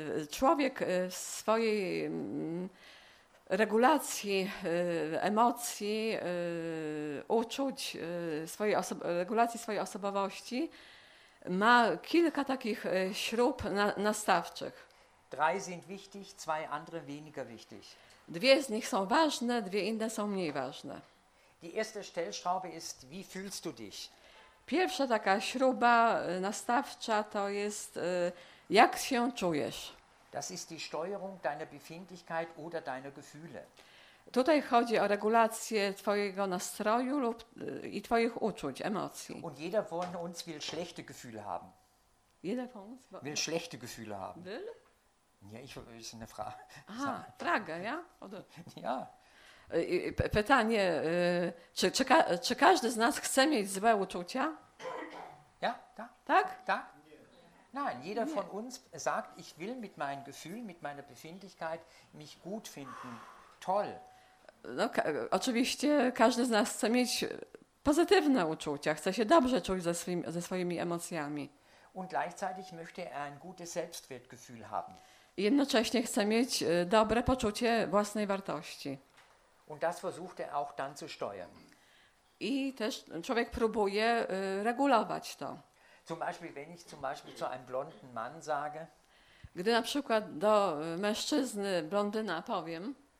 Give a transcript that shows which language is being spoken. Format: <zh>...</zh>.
<pl>Człowiek w swojej regulacji emocji, uczuć, regulacji swojej osobowości ma kilka takich śrub nastawczych.</pl> <de>Drei sind wichtig, zwei andere weniger wichtig.</de> <pl>Dwie z nich są ważne, dwie inne są mniej ważne.</pl> <de>Die erste Stellschraube ist, wie fühlst du dich?</de> <pl>Pierwsza taka śruba nastawcza to jest, jak się czujesz.</pl> <de>Das ist die Steuerung deiner Befindlichkeit oder deiner Gefühle.</de> <pl>Tutaj chodzi o regulację twojego nastroju lub i twoich uczuć, emocji.</pl> <de>Und jeder von uns will schlechte Gefühle haben. Jeder von uns will schlechte Gefühle haben. Will?</de> <pl>Nie,</pl> <de>ich will</de> <pl>jest</pl> <de>eine Frage. Aha, Frage, ja? Oder? Ja.</de> <pl>Pytanie, czy każdy z nas chce mieć złe uczucia? Ja, tak. Tak? Tak.</pl> <de>Nein, jeder von uns sagt, ich will mit meinen Gefühlen, mit meiner Befindlichkeit mich gut finden. Toll.</de> <pl>No, oczywiście każdy z nas chce mieć pozytywne uczucia, chce się dobrze czuć ze swoimi emocjami.</pl> <de>Und gleichzeitig möchte er ein gutes Selbstwertgefühl haben.</de> <pl>Jednocześnie chce mieć dobre poczucie własnej wartości.</pl> <de>Und das versucht er auch dann zu steuern.</de> <pl>I też człowiek próbuje regulować to.</pl> <de>Zum Beispiel, wenn ich zum Beispiel zu einem blonden Mann sage,</de> <pl>gdy na przykład do mężczyzny blondyna powiem,</pl>